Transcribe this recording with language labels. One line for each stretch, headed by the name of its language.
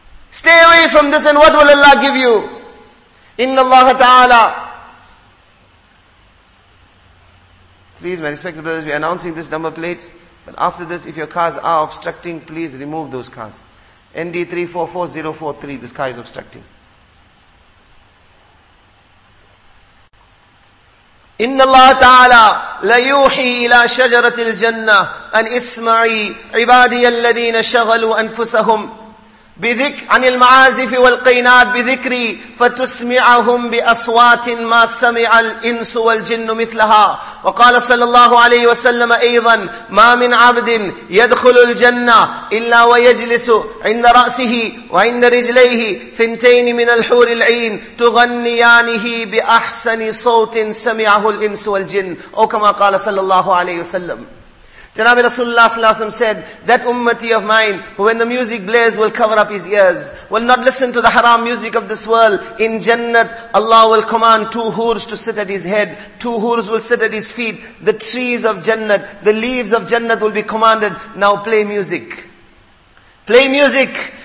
English: Stay away from this, and what will Allah give you? Inna Allah Ta'ala. Please, my respected brothers, we are announcing this number plate. But after this, if your cars are obstructing, please remove those cars. ND344043, this car is obstructing.
Arabic: إن الله تعالى ليوحي إلى شجرة الجنة أن اسمعي عبادي الذين شغلوا أنفسهم بذكر عن المعازف والقينات بذكري فتسمعهم بأصوات ما سمع الإنس والجن مثلها. وقال صلى الله عليه وسلم أيضا ما من عبد يدخل الجنة إلا ويجلس عند رأسه وعند رجليه ثنتين من الحور العين تغنيانه بأحسن صوت سمعه الإنس والجن. أو كما قال صلى الله عليه وسلم,
English: Janabi Rasulullah sallallahu alaihi wasallam said, that ummati of mine, who when the music blares will cover up his ears, will not listen to the haram music of this world, in Jannat, Allah will command two hoors to sit at his head, two hoors will sit at his feet, the trees of Jannat, the leaves of Jannat will be commanded, now play music. Play music!